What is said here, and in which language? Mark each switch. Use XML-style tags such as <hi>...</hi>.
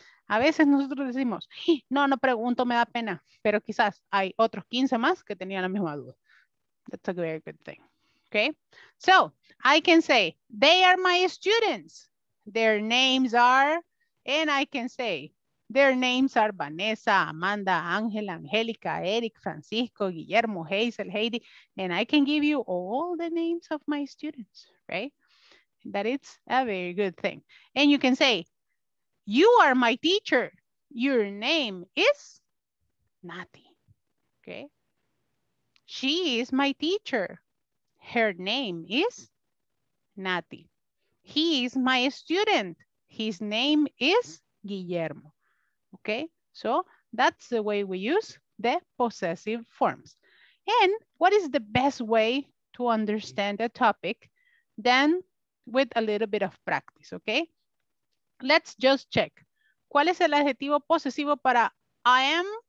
<es>A veces nosotros decimos, no, no pregunto, me da pena. Pero quizás hay otros 15 más que tenían la misma duda.</es> <en>That's a very good thing. Okay. So I can say, they are my students. Their names are, and I can say, their names are Vanessa, Amanda, Ángel, Angélica, Eric, Francisco, Guillermo, Hazel, Heidi. And I can give you all the names of my students, right? That it's a very good thing. And you can say, you are my teacher. Your name is Nati. Okay. She is my teacher. Her name is Nati. He is my student. His name is Guillermo. Okay, so that's the way we use the possessive forms. And what is the best way to understand a topic than with a little bit of practice, okay? Let's just check.</en> <es>¿Cuál es el adjetivo posesivo para I am?</es>